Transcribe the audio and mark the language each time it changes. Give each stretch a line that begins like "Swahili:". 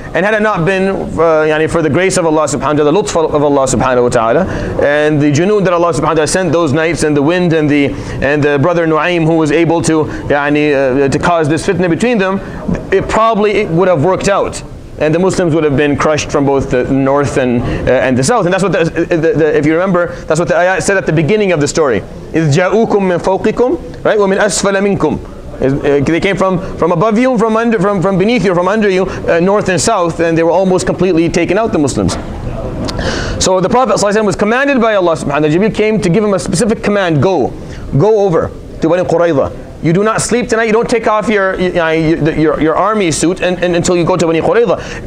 English: And had it not been for the grace of Allah subhanahu wa ta'ala, the lutf of Allah subhanahu wa ta'ala, and the junood that Allah subhanahu wa ta'ala sent those knights, and the wind, and the brother Nu'aym, who was able to cause this fitna between them, it probably would have worked out. And the Muslims would have been crushed from both the north and the south. And that's what if you remember, that's what the ayat said at the beginning of the story.
Arabic: إِذْ جَاءُوكُمْ مِنْ فَوْقِكُمْ
English: right?
Arabic: وَمِنْ أَسْفَلَ مِنْكُمْ.
English: They came from above you, from beneath you, from under you, north and south, and they were almost completely taken out, the Muslims. So the Prophet ﷺ was commanded by Allah subhanahu wa ta'ala. Jibreel came to give him a specific command. Go. Go over to Bani Qurayza. You do not sleep tonight. You don't take off your army suit and until you go to Bani Qurayza.